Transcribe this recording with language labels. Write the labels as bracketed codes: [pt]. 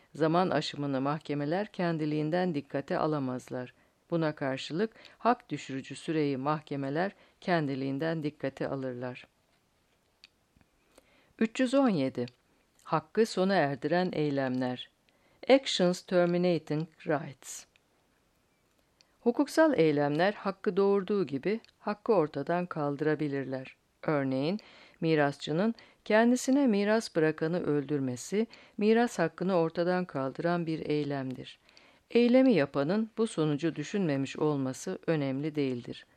[tr] Zaman aşımını mahkemeler kendiliğinden dikkate alamazlar. Buna karşılık hak düşürücü süreyi mahkemeler kendiliğinden dikkate alırlar. 317. Hakkı sona erdiren eylemler. [en] Actions terminating rights. [tr] Hukuksal eylemler hakkı doğurduğu gibi hakkı ortadan kaldırabilirler. Örneğin, mirasçının kendisine miras bırakanı öldürmesi, miras hakkını ortadan kaldıran bir eylemdir. Eylemi yapanın bu sonucu düşünmemiş olması önemli değildir.